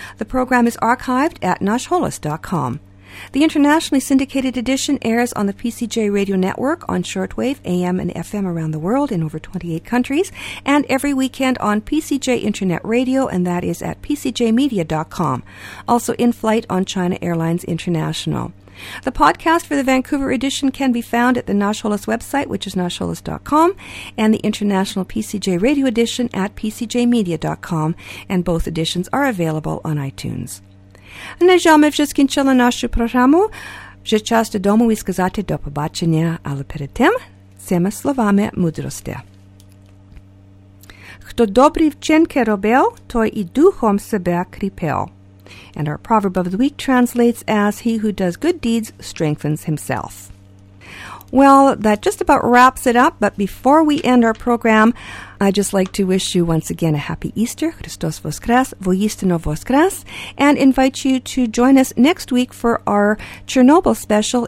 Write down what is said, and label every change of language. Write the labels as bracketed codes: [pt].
[en] The program is archived at nashholos.com. The internationally syndicated edition airs on the PCJ Radio Network on shortwave, AM, and FM around the world in over 28 countries, and every weekend on PCJ Internet Radio, and that is at pcjmedia.com, also in flight on China Airlines International. The podcast for the Vancouver edition can be found at the Nash Holos website, which is nashholos.com, and the international PCJ Radio edition at pcjmedia.com, and both editions are available on iTunes. [uk] На жаль, вже скінчила нашу програму. Вже час додому і сказати до побачення, але перед тим цими словами мудрості. Хто добрі вчинки робив, той і духом себе кріпив. [en] And our proverb of the week translates as, he who does good deeds strengthens himself. Well, that just about wraps it up, but before we end our program, I'd just like to wish you once again a happy Easter, [uk] Christos Voskres, Voistino Voskres, [en] and invite you to join us next week for our Chernobyl special.